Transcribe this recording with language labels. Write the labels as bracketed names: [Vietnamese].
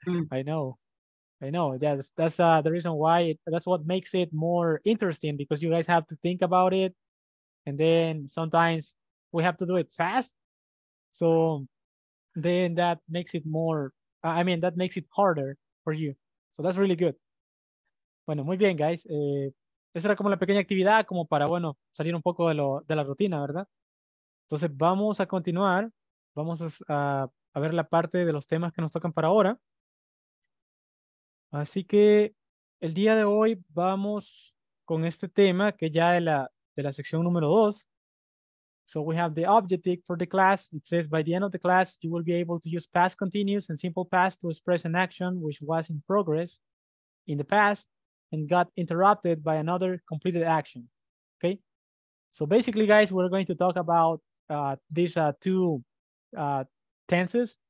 [English] I know. Yeah, that's the reason why. That's what makes it more interesting, because you guys have to think about it, and then sometimes we have to do it fast. So then that makes it more. I mean, that makes it harder for you. So that's really good. [Spanish] Bueno, muy bien, [English] guys. [Spanish] Esa era como la pequeña actividad, como para, bueno, salir un poco de la rutina, ¿verdad? Entonces, vamos a continuar. Vamos a ver la parte de los temas que nos tocan para ahora. Así que el día de hoy vamos con este tema, que ya de la sección número 2. [English] So we have the objective for the class. It says, by the end of the class, you will be able to use past continuous and simple past to express an action which was in progress in the past and got interrupted by another completed action, okay? So basically, guys, we're going to talk about these two tenses.